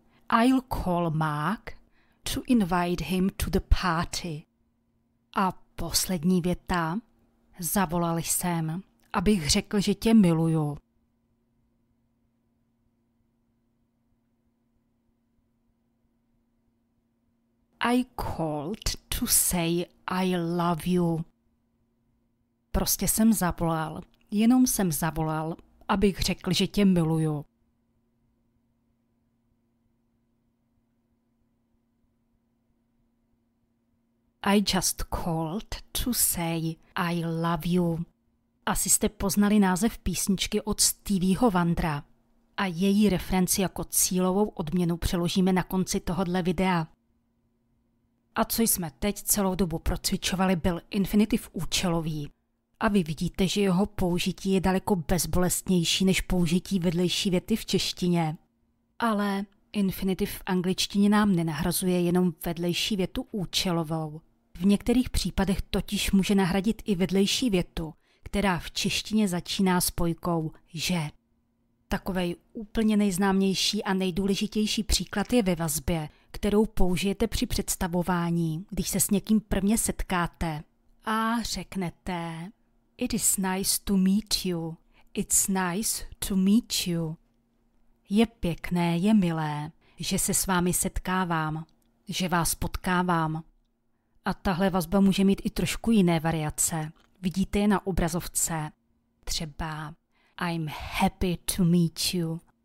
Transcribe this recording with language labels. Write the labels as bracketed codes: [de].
[en] I'll call Mark to invite him to the party. [cs] A poslední věta. Zavolal jsem, abych řekl, že tě miluju. [en] I called to say I love you. [cs] Prostě jsem zavolal, jenom jsem zavolal, abych řekl, že tě miluju. [en] I just called to say I love you. [cs] Asi jste poznali název písničky od Stevieho Wondera. A její referenci jako cílovou odměnu přeložíme na konci tohoto videa. A co jsme teď celou dobu procvičovali, byl infinitiv účelový. A vy vidíte, že jeho použití je daleko bezbolestnější než použití vedlejší věty v češtině. Ale infinitiv v angličtině nám nenahrazuje jenom vedlejší větu účelovou. V některých případech totiž může nahradit i vedlejší větu, která v češtině začíná spojkou že. Takovej úplně nejznámější a nejdůležitější příklad je ve vazbě, kterou použijete při představování, když se s někým prvně setkáte. A řeknete [en] It is nice to meet you. It's nice to meet you. [cs] Je pěkné, je milé, že se s vámi setkávám, že vás potkávám. A tahle vazba může mít i trošku jiné variace. Vidíte je na obrazovce. Třeba [en] I'm happy to meet you.